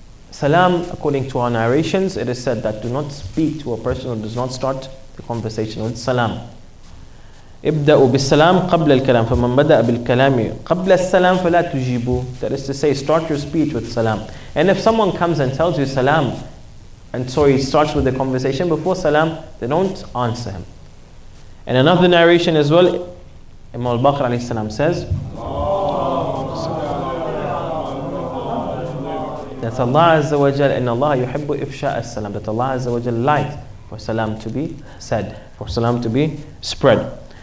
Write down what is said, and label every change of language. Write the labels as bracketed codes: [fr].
[en] Salam, according to our narrations, it is said that do not speak to a person who does not start the conversation with salam. [ar] ابدأوا بالسلام قبل الكلام فمن بدأ بالكلام قبل السلام فلا تجيبوا. [en] That is to say, start your speech with salam. And if someone comes and tells you salam, and so he starts with the conversation before salam, then don't answer him. And another narration as well, Imam al-Baqir alayhi salam says, that Allah Azza wa Jal, [ar] إن الله يحب إفشاء السلام, [en] that Allah Azza wa Jal likes for salam to be said, for salam to be spread.